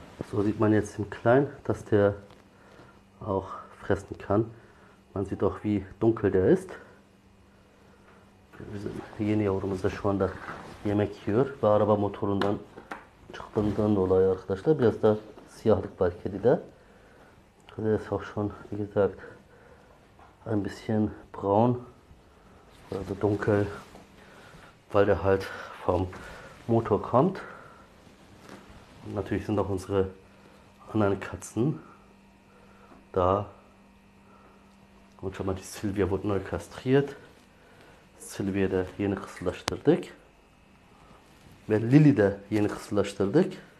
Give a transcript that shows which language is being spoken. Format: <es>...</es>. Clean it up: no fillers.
<de>So sieht man jetzt im Kleinen, dass der auch fressen kann. Man sieht auch, wie dunkel der ist.</de> <tr>Bizim yeni yavrumuz da şu anda yemek yiyor. Ve araba motorundan çıktığından dolayı arkadaşlar biraz da siyahlık var kedide.</tr> <de>Das ist auch schon, wie gesagt, ein bisschen braun oder dunkel, weil der halt vom Motor kommt. Und natürlich sind auch unsere anderen Katzen da. Und schon mal, die Silvia wurde neu kastriert.</de> <tr>Silvia da yeni kısırlaştırdık. Ve Lili de yeni kısırlaştırdık.</tr>